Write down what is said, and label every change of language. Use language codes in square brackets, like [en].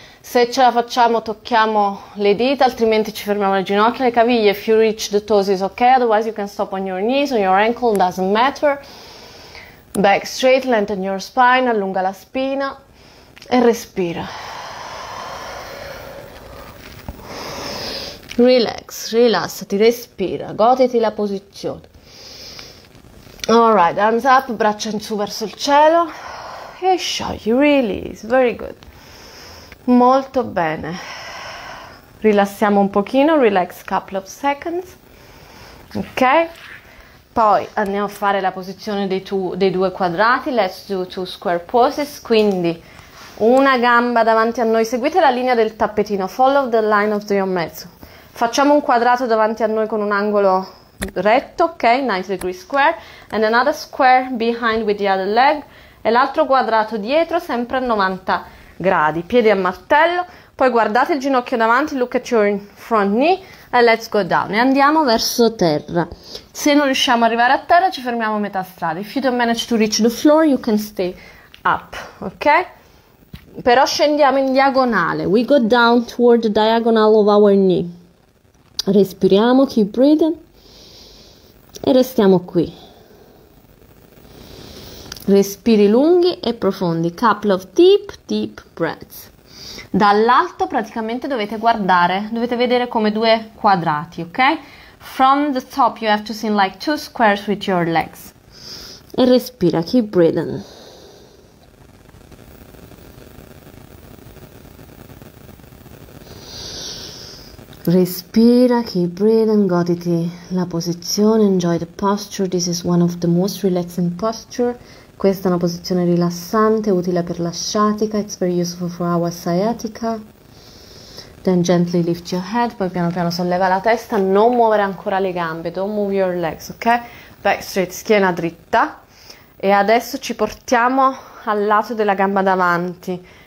[it] Se ce la facciamo tocchiamo le dita, altrimenti ci fermiamo le ginocchia, le caviglie. [en] If you reach the toes is ok, otherwise you can stop on your knees, on your ankle, doesn't matter. Back straight, lengthen your spine, [it] allunga la spina e respira. Relax, rilassati, respira, goditi la posizione. [en] Alright, arms up, [it] braccia in su verso il cielo e sciogli, [en] release, very good. [it] Molto bene. Rilassiamo un pochino, [en] relax couple of seconds. [it] Ok. Poi andiamo a fare la posizione dei due quadrati. [en] Let's do two square poses. [it] Quindi una gamba davanti a noi, seguite la linea del tappetino, [en] follow the line of the yon mezzo. [it] Facciamo un quadrato davanti a noi con un angolo retto, ok? [en] 90 degree square. And another square behind with the other leg. [it] E l'altro quadrato dietro, sempre a 90 gradi. Piedi a martello. Poi guardate il ginocchio davanti, [en] look at your front knee. [it] E [en] let's go down [it] e andiamo verso terra. Se non riusciamo ad arrivare a terra, ci fermiamo a metà strada. [en] If you don't manage to reach the floor, you can stay up, ok? [it] Però scendiamo in diagonale. [en] We go down toward the diagonal of our knee. [it] Respiriamo, [en] keep breathing. [it] E restiamo qui. Respiri lunghi e profondi. [en] Couple of deep breaths. [it] Dall'alto praticamente dovete guardare, dovete vedere come due quadrati, ok? From the top you have to see like two squares with your legs. E respira, [en] keep breathing. [it] Respira, [en] keep breathing, [it] goditi la posizione, [en] enjoy the posture. This is one of the most relaxing posture. [it] Questa è una posizione rilassante, utile per la sciatica. [en] It's very useful for our sciatica. Then gently lift your head, [it] poi piano piano solleva la testa. Non muovere ancora le gambe, [en] don't move your legs, ok? Back straight, [it] schiena dritta. E adesso ci portiamo al lato della gamba davanti.